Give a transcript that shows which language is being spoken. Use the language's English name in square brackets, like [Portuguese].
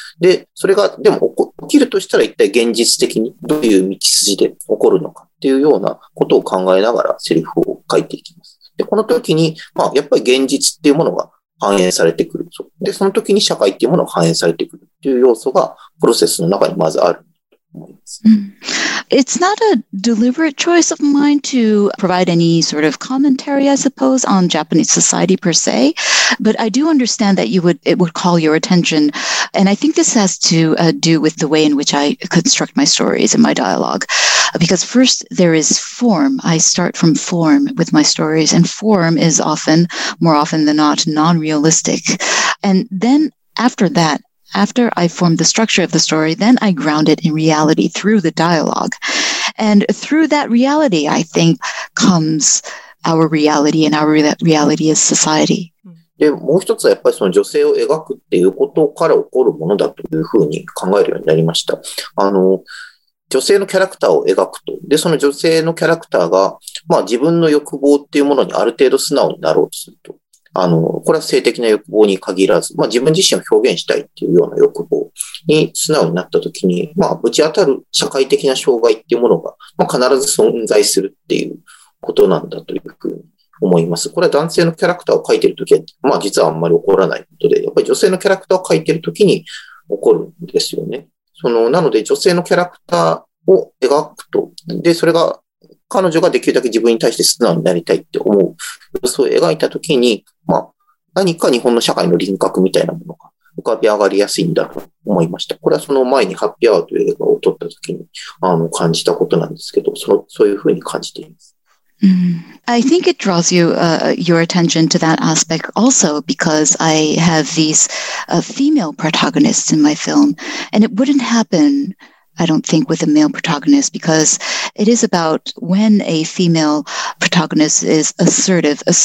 [Japanese] で、それが、でも起きるとしたら一体現実的にどういう道筋で起こるのか。ていうようなことを考えながらセリフを書いていきます。で、この時に、まあ、やっぱり現実っていうものが反映されてくる。で、その時に社会っていうものが反映されてくるっていう要素が、プロセスの中にまずあると思います。 [English] It's not a deliberate choice of mine to provide any sort of commentary, I suppose, on Japanese society per se, but I do understand that it would call your attention. And I think this has to do with the way in which I construct my stories and my dialogue. Because first there is form. I start from form with my stories, and form is often, more often than not, non-realistic. And then after that, after I form the structure of the story, then I ground it in reality through the dialogue. And through that reality, I think, comes our reality, and our reality is society. [Japanese] で、もう一つはやっぱりその女性を描くっていうことから起こるものだというふうに考えるようになりました。女性のキャラクターを描くと。で、その女性のキャラクターが、まあ自分の欲望っていうものにある程度素直になろうとすると。これは性的な欲望に限らず、まあ自分自身を表現したいっていうような欲望に素直になったときに、まあぶち当たる社会的な障害っていうものが、まあ必ず存在するっていうことなんだというふうに思います。これは男性のキャラクターを描いてるときは、まあ実はあんまり起こらないことで、やっぱり女性のキャラクターを描いてるときに起こるんですよね。なので女性のキャラクターを描くと、で、それが、彼女ができるだけ自分に対して素直になりたいって思う、そう描いたときに、まあ、何か日本の社会の輪郭みたいなものが浮かび上がりやすいんだと思いました。これはその前にハッピーアワーという映画を撮ったときに感じたことなんですけど、そういうふうに感じています。 [English] I think it draws your attention to that aspect also because I have these female protagonists in my film, and it wouldn't happen, I don't think, with a male protagonist because it is about when a female protagonist is assertive.